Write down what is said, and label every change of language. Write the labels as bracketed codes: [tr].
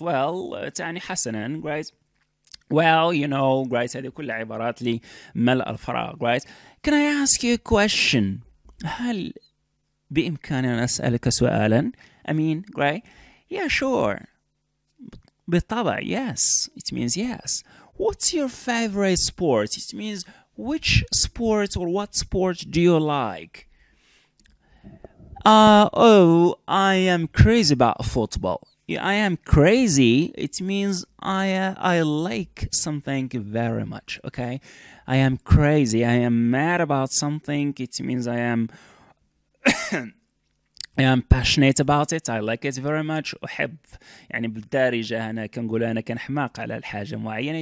[en] Well, [ar] تعني حسناً, [en] right? Well, you know, right? [ar] هذه كل عبارات لي ملأ الفراغ, right? [en] Can I ask you a question? [ar] هل بإمكاني أن أسألك سؤالاً؟ [en] I mean, right? Yeah, sure. [ar] بالطبع, [en] yes. It means yes. What's your favorite sport? It means which sport or what sport do you like? I am crazy about football. I am crazy. It means I like something very much, okay? I am crazy. I am mad about something. It means I am... I am passionate about it. I like it very much. [ar] أحب يعني بالدارجة أنا كنقول أنا كنحماق على الحاجة معينة.